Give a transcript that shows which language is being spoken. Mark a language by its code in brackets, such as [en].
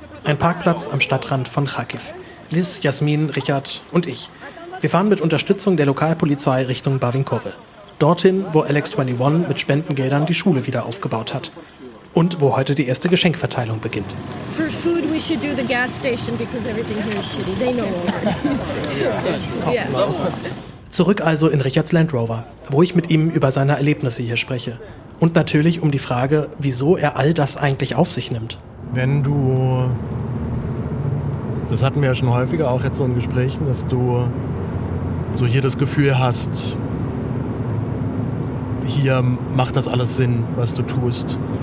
[de] Ein Parkplatz am Stadtrand von Kharkiv. Liz, Jasmin, Richard und ich. Wir fahren mit Unterstützung der Lokalpolizei Richtung Barvinkovo. Dorthin, wo Alex21 mit Spendengeldern die Schule wieder aufgebaut hat. Und wo heute die erste Geschenkverteilung beginnt. [en] For food we should do the gas station because everything here is shitty. They know all. [de] Zurück also in Richards Land Rover, wo ich mit ihm über seine Erlebnisse hier spreche. Und natürlich um die Frage, wieso er all das eigentlich auf sich nimmt. Wenn du, das hatten wir ja schon häufiger auch jetzt so in Gesprächen, dass du so hier das Gefühl hast, hier macht das alles Sinn, was du tust.